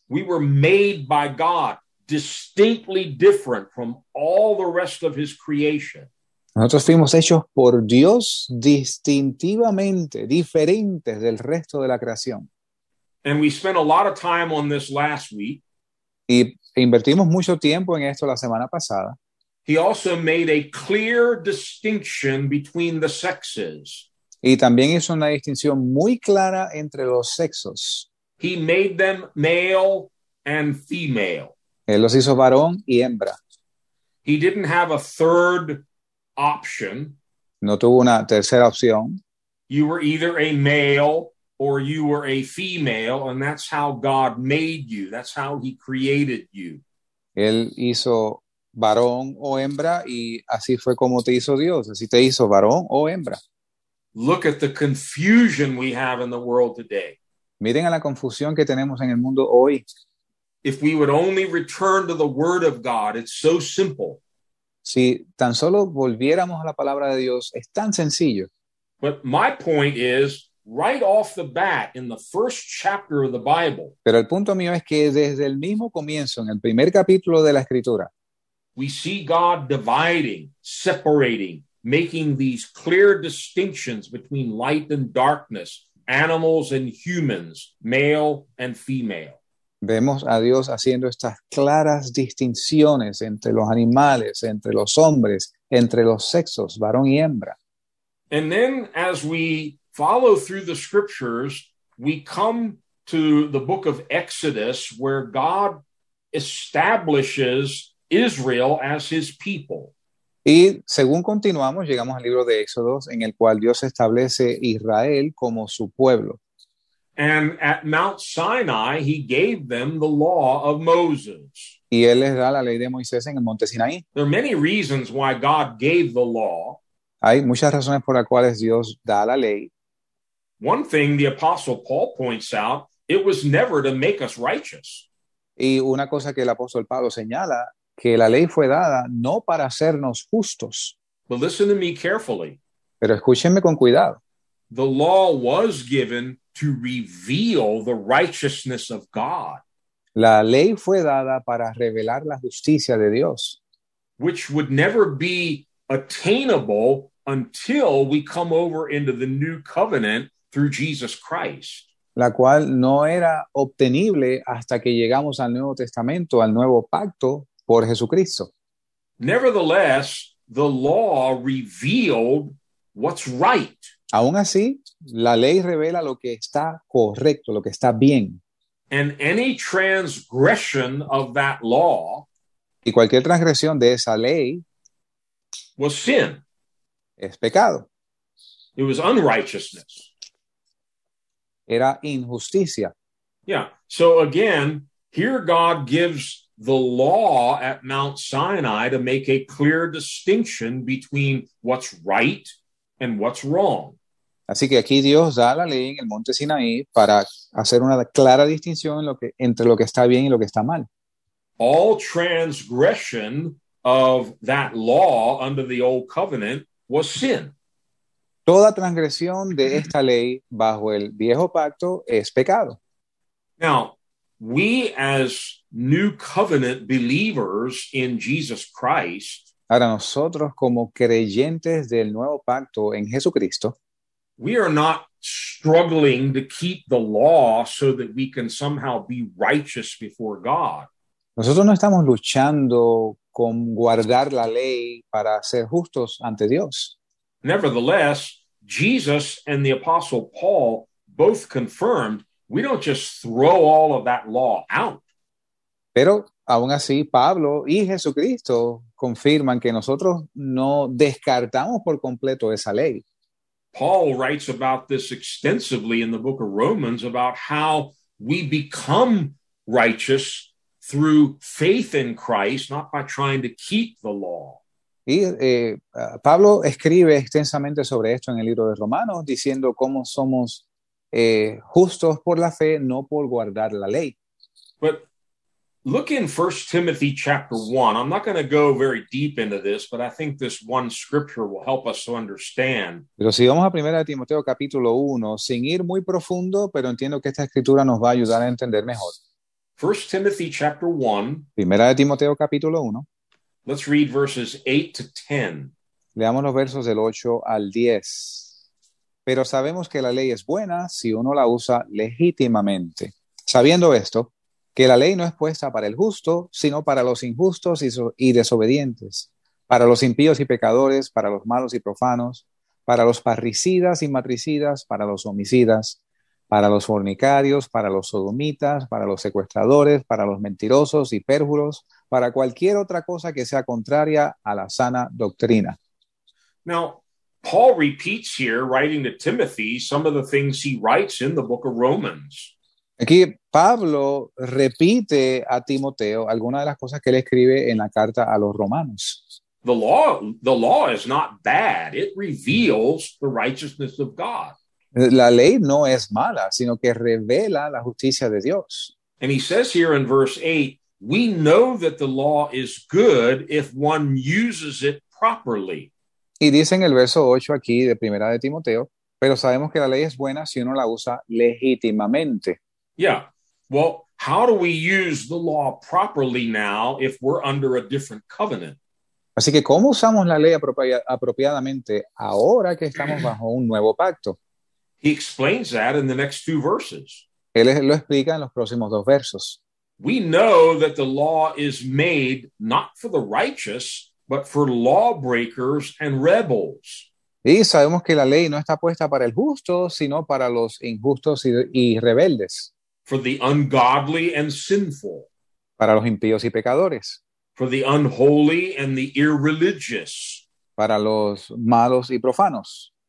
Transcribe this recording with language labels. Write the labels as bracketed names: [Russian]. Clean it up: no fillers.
[English] We were made by God, distinctly different from all the rest of his creation. [Spanish] Nosotros fuimos hechos por Dios distintivamente diferentes del resto de la creación. [English] And we spent a lot of time on this last week. [Spanish] Y invertimos mucho tiempo en esto la semana pasada. [English] He also made a clear distinction between the sexes. [Spanish] Y también hizo una distinción muy clara entre los sexos. [English] He made them male and female. [Spanish] Él los hizo varón y hembra. [English] He didn't have a third option. [Spanish] No tuvo una tercera opción. [English] You were either a male or you were a female, and that's how God made you. That's how he created you. [Spanish] Él hizo varón o hembra, y así fue como te hizo Dios. Así te hizo varón o hembra. [English] Look at the confusion we have in the world today. [Spanish] Miren a la confusión que tenemos en el mundo hoy. [English] If we would only return to the Word of God, it's so simple. [Spanish] Si tan solo volviéramos a la palabra de Dios, es tan sencillo. [English] But my point is, right off the bat, in the first chapter of the Bible. [Spanish] Pero el punto mío es que desde el mismo comienzo, en el primer capítulo de la Escritura, [English] we see God dividing, separating, making these clear distinctions between light and darkness, animals and humans, male and female. [Spanish] Vemos a Dios haciendo estas claras distinciones entre los animales, entre los hombres, entre los sexos, varón y hembra. [English] And then as we follow through the scriptures, we come to the book of Exodus, where God establishes Israel as his people. [Spanish] Y según continuamos, llegamos al libro de Éxodo, en el cual Dios establece Israel como su pueblo. [English] And at Mount Sinai, he gave them the law of Moses. [Spanish] Y él les da la ley de Moisés en el monte Sinaí. [English] There are many reasons why God gave the law. [Spanish] Hay muchas razones por las cuales Dios da la ley. [English] One thing the Apostle Paul points out, it was never to make us righteous. [Spanish] Y una cosa que el apóstol Pablo señala, que la ley fue dada no para hacernos justos. [English] But listen to me carefully. [Spanish] Pero escúchenme con cuidado. [English] The law was given to reveal the righteousness of God. [Spanish] La ley fue dada para revelar la justicia de Dios. [English] Which would never be attainable until we come over into the new covenant through Jesus Christ. [Spanish] La cual no era obtenible hasta que llegamos al Nuevo Testamento, al Nuevo Pacto, por Jesucristo. [English] Nevertheless, the law revealed what's right. [Spanish] Aún así, la ley revela lo que está correcto, lo que está bien. [English] And any transgression of that law, [Spanish] y cualquier transgresión de esa ley, [English] was sin. [Spanish] Es pecado. [English] It was unrighteousness. [Spanish] Era injusticia. Yeah. [English] So again, here God gives the law at Mount Sinai to make a clear distinction between what's right and what's wrong. [Spanish] Así que aquí Dios da la ley en el monte Sinaí para hacer una clara distinción entre lo que está bien y lo que está mal. [English] All transgression of that law under the old covenant was sin. [Spanish] Toda transgresión de esta ley bajo el viejo pacto es pecado. [English] Now, we as new covenant believers in Jesus Christ, [Spanish] ahora nosotros como creyentes del nuevo pacto en Jesucristo, [English] we are not struggling to keep the law so that we can somehow be righteous before God. [Spanish] Nosotros no estamos luchando con guardar la ley para ser justos ante Dios. [English] Nevertheless, Jesus and the Apostle Paul both confirmed we don't just throw all of that law out. [Spanish] Pero aún así, Pablo y Jesucristo confirman que nosotros no descartamos por completo esa ley. [English] Paul writes about this extensively in the book of Romans about how we become righteous through faith in Christ, not by trying to keep the law. [Spanish] Y Pablo escribe extensamente sobre esto en el libro de Romanos, diciendo cómo somos justos por la fe, no por guardar la ley. [English] But look in 1 Timothy chapter 1. I'm not going to go very deep into this, but I think this one scripture will help us to understand. [Spanish] Pero si vamos a 1 Timoteo capítulo 1, sin ir muy profundo, pero entiendo que esta escritura nos va a ayudar a entender mejor. [English] 1 Timothy chapter 1. [Spanish] 1 Timoteo capítulo 1. [English] Let's read verses 8 to 10. [Spanish] Leamos los versos del 8 al 10. Pero sabemos que la ley es buena si uno la usa legítimamente. Sabiendo esto, que la ley no es puesta para el justo, sino para los injustos y desobedientes, para los impíos y pecadores, para los malos y profanos, para los parricidas y matricidas, para los homicidas, para los fornicarios, para los sodomitas, para los secuestradores, para los mentirosos y pérjuros, para cualquier otra cosa que sea contraria a la sana doctrina. [English] Now, Paul repeats here, writing to Timothy, some of the things he writes in the book of Romans. [Spanish] Aquí Pablo repite a Timoteo algunas de las cosas que él escribe en la carta a los romanos. [English] The law is not bad. It reveals the righteousness of God. [Spanish] La ley no es mala, sino que revela la justicia de Dios. [English] And he says here in verse 8, we know that the law is good if one uses it properly. [Spanish] Y dice en el verso 8 aquí de Primera de Timoteo, pero sabemos que la ley es buena si uno la usa legítimamente. Yeah. [English] Well, how do we use the law properly now if we're under a different covenant? [Spanish] Así que, ¿cómo usamos la ley apropiadamente ahora que estamos bajo un nuevo pacto? [English] He explains that in the next two verses. [Spanish] Él lo explica en los próximos dos versos. [English] We know that the law is made not for the righteous, but for lawbreakers and rebels. [Spanish] Y sabemos que la ley no está puesta para el justo, sino para los injustos y rebeldes. [English] For the ungodly and sinful. [Spanish] Para los impíos y pecadores. [English] For the unholy and the irreligious. [Spanish] Para los malos y profanos.